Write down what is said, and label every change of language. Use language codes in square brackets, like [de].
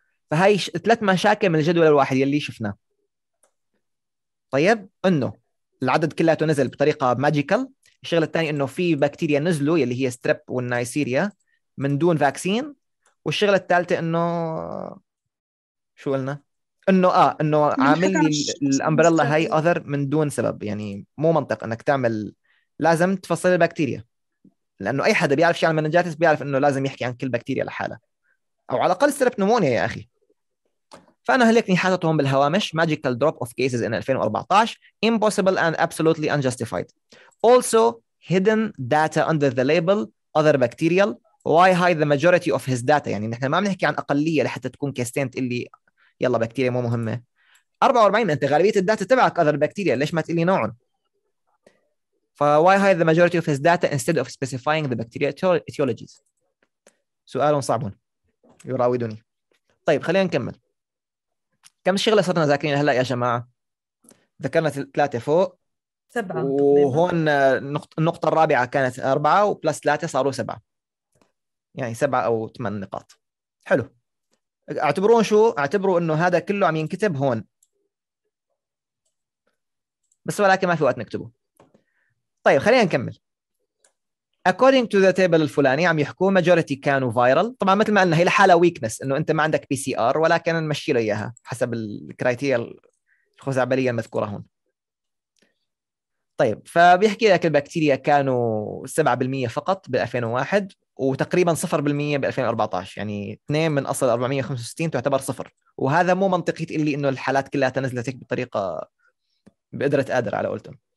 [ar] فهي ثلاث مشاكل من الجدول الواحد يلي شفناه. طيب انه العدد كلياته نزل بطريقه ماجيكال، الشغله الثانيه انه في بكتيريا نزلوا يلي هي ستريب والنايسيريا من دون فاكسين، والشغله الثالثه انه شو قلنا؟ انه انه عامل لي الامبريلا هاي اذر من دون سبب. يعني مو منطق انك تعمل، لازم تفصل البكتيريا، لانه اي حدا بيعرف شيء عن المننجاتس بيعرف انه لازم يحكي عن كل بكتيريا لحالها، او على الاقل ستريبتومونيا يا اخي. فأنا هلكني حاطط هون بالهوامش [en] magical drop of cases in 2014 impossible and absolutely unjustified. Also hidden data under the label other bacterial. Why hide the majority of his data؟ [ar] يعني نحن ما بنحكي عن أقلية لحتى تكون كيستينت اللي يلا بكتيريا مو مهمة. 44 أنت غالبية الداتا تبعك other bacterial، ليش ما تقلي نوعه؟ ف [en] why hide the majority of his data instead of specifying the bacterial etiologies؟ [ar] سؤال صعب يراودني. طيب خلينا نكمل. كم شغلة صرنا ذاكرين هلأ يا جماعة؟ ذكرنا ثلاثة فوق سبعة، وهون النقطة الرابعة كانت أربعة وبلس ثلاثة صاروا سبعة، يعني سبعة أو ثمان نقاط. حلو، اعتبرون شو؟ اعتبروا أنه هذا كله عم ينكتب هون بس، ولكن ما في وقت نكتبه. طيب خلينا نكمل. [en] According to the table [ar] الفلاني عم يحكوا [en] majority [ar] كانوا [en] viral. [ar] طبعا مثل ما قلنا هي لحالة weakness انه انت ما عندك PCR، ولكن نمشي له اياها حسب الكرايتيريا الخزعبلية المذكورة هون. طيب فبيحكي لك البكتيريا كانوا 7% فقط ب 2001 وتقريبا 0% ب 2014، يعني 2 من اصل 465 تعتبر صفر، وهذا مو منطقي اللي انه الحالات كلها تنزلت هيك بطريقة بقدرة قادر على قولتهم.